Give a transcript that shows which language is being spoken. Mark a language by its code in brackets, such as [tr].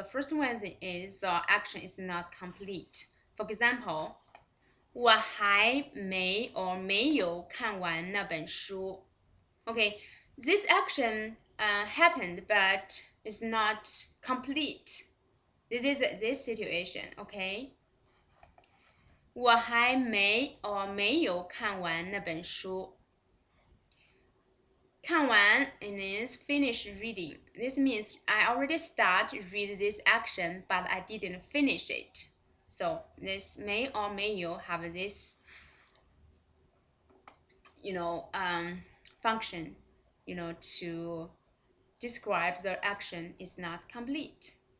[en] The first one is the action is not complete. For example, [zh] 我还没 or 没有看完那本书。 [en] Okay, this action happened but it's not complete. This is this situation, okay? [zh] 我还没 or 没有看完那本书。 [en] 看完 it means finish reading. This means I already start to read this action, but I didn't finish it. So this may or may you have this, you know, function, you know, to describe the action is not complete.